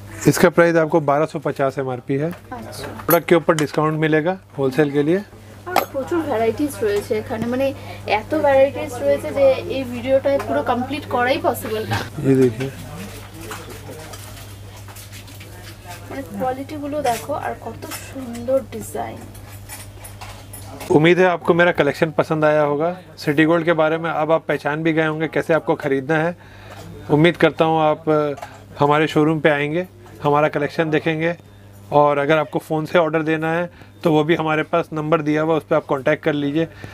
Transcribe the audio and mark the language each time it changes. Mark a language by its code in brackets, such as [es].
[hi] इसका प्राइस आपको 1250 MRP है। प्रोडक्ट के ऊपर डिस्काउंट मिलेगा होलसेल के लिए। [bn] প্রচুর ভ্যারাইটিস রয়েছে এখানে, মানে এত ভ্যারাইটিস রয়েছে যে এই ভিডিওটা পুরো কমপ্লিট করাই পসিবল না। এই দেখো, কোয়ালিটি গুলো দেখো আর কত সুন্দর ডিজাইন। [hi] उम्मीद है आपको मेरा कलेक्शन पसंद आया होगा। सिटी गोल्ड के बारे में अब आप पहचान भी गए होंगे कैसे आपको खरीदना है। उम्मीद करता हूँ आप हमारे शोरूम पे आएंगे, हमारा कलेक्शन देखेंगे, और अगर आपको फ़ोन से ऑर्डर देना है तो वो भी हमारे पास नंबर दिया हुआ, उस पर आप कॉन्टैक्ट कर लीजिए।